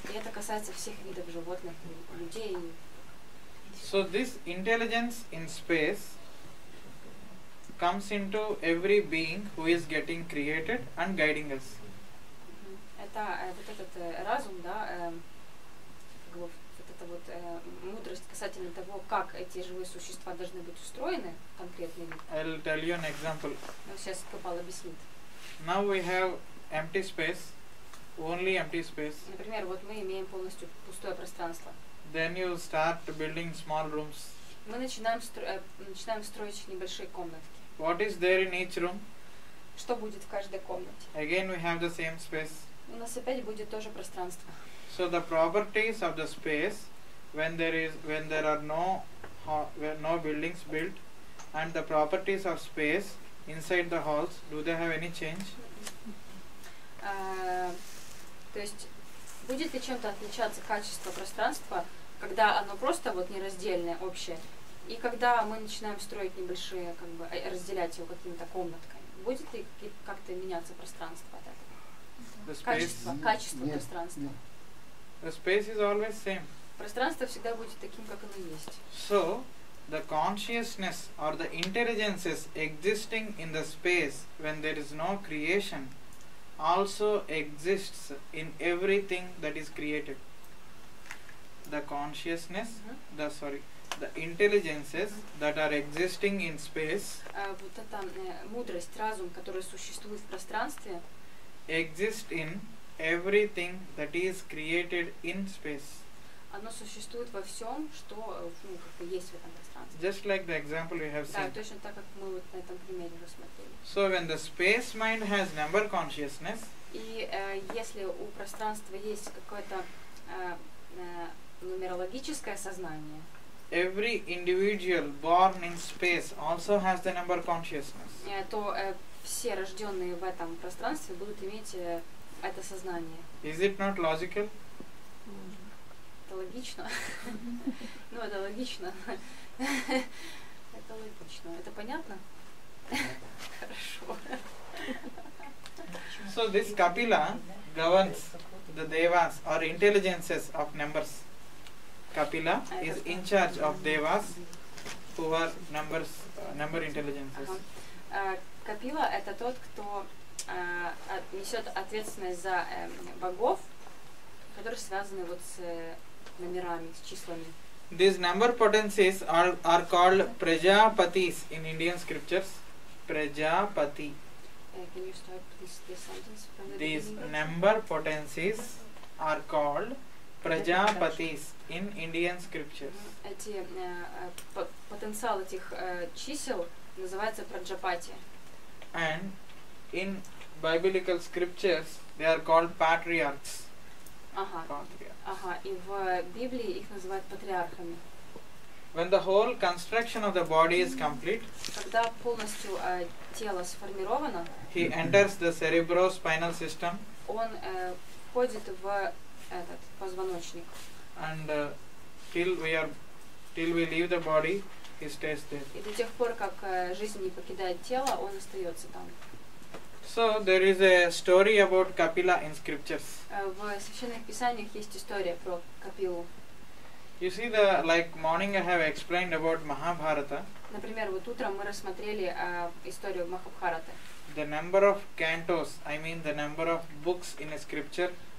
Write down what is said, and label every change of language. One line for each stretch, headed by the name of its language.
Russian: И это касается всех видов животных, людей.
English: So this intelligence in space comes into every being who is getting created and guiding us.
Russian: Это вот этот разум, да, вот эта вот мудрость касательно того, как эти живые существа должны быть устроены конкретно.
English: I'll tell you an example.
Russian: Сейчас Копал объяснит.
English: Now we have empty space, only empty space.
Russian: Например, вот мы имеем полностью пустое пространство.
English: Then you start building small rooms.
Russian: Мы начинаем строить небольшие комнатки.
English: What is there in each room?
Russian: Что будет в каждой комнате?
English: Again we have the same space.
Russian: У нас опять будет тоже пространство.
English: So the properties of the space, when there is, when there are no, no buildings built, and the properties of space inside the halls, do they have any change?
Russian: То есть будет ли чем-то отличаться качество пространства, когда оно просто вот нераздельное, общее, и когда мы начинаем строить небольшие, как бы разделять его какими-то комнатками, будет ли как-то меняться пространство от этого? Качество пространства.
English: The space is always same.
Russian: Пространство всегда будет таким, как оно есть.
English: So, the consciousness or the intelligences existing in the space when there is no creation also exists in everything that is created. The consciousness, the intelligences that are existing in space.
Russian: Вот эта мудрость, разум, который существует в пространстве.
English: Exist in everything that is created in space.
Russian: Оно существует во всем, что как бы есть в этом пространстве.
English: Just like the example we have seen.
Russian: Да, точно так, как мы вот на этом примере рассмотрели.
English: So when the space mind has number consciousness.
Russian: И если у пространства есть какое-то нумерологическое сознание.
English: Every individual born in space also has the number consciousness.
Russian: То все рожденные в этом пространстве будут иметь это сознание.
English: Is it not logical?
Russian: Это логично. Ну, это логично. Это логично. Это понятно? Хорошо.
English: So this Kapila governs the devas or intelligences of numbers. Kapila is in charge of devas who are numbers, number intelligences.
Russian: Kapila это тот, кто несет ответственность за богов, которые связаны вот с номерами, с числами.
English: These number potencies are called prajapatis in Indian scriptures. Prajapati. Can you start this sentence from the These beginning? Number potencies are called prajapatis in Indian scriptures.
Russian: Эти потенциал этих чисел называется праджапати.
English: And in biblical scriptures they are called patriarchs.
Russian: Ага. И в Библии их называют патриархами.
English: When the whole construction of the body is complete,
Russian: когда полностью тело сформировано,
English: he enters the cerebrospinal system.
Russian: Он входит в этот позвоночник.
English: And till we leave the body, he stays there.
Russian: И до тех пор, как жизнь не покидает тело, он остается там.
English: So there is a story about Kapila in scriptures.
Russian: В священных писаниях есть история про Капилу.
English: You see the like morning I have explained about Mahabharata.
Russian: Например, вот утром мы рассмотрели историю Махабхараты.
English: The number of cantos, I mean the number of books in a scripture.